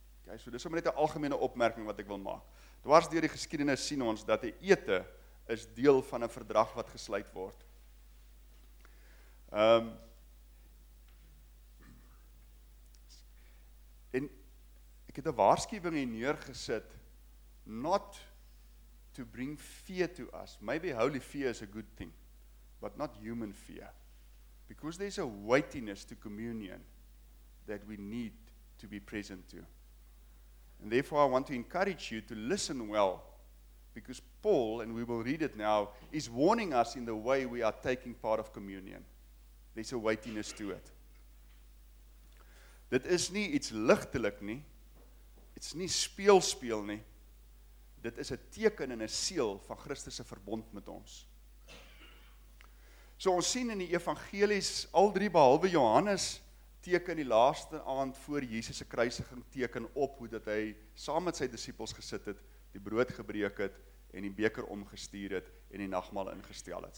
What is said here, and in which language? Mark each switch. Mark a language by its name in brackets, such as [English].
[Afrikaans] Okay, so dis om net 'n algemene opmerking wat ek wil maak. Dwars deur die geskiedenis sien ons dat 'n ete is deel van 'n verdrag wat gesluit word. En ek het 'n waarskuwing hier neergesit, [English] not to bring fear to us. Maybe holy fear is a good thing, but not human fear. Because there's a weightiness to communion that we need to be present to. And therefore I want to encourage you to listen well, because Paul, and we will read it now, is warning us in the way we are taking part of communion. There's a weightiness to it. [Afrikaans] Dit is nie iets ligtelik nie. Dit is nie speelspeel nie. Dit is 'n teken en 'n seël van Christus se verbond met ons. So ons sien in die evangelies, al drie behalwe Johannes, teken die laaste aand voor Jesus se kruisiging teken op hoe dat hy saam met sy disippels gesit het, die brood gebreek het en die beker omgestuur het en die nagmaal ingestel het.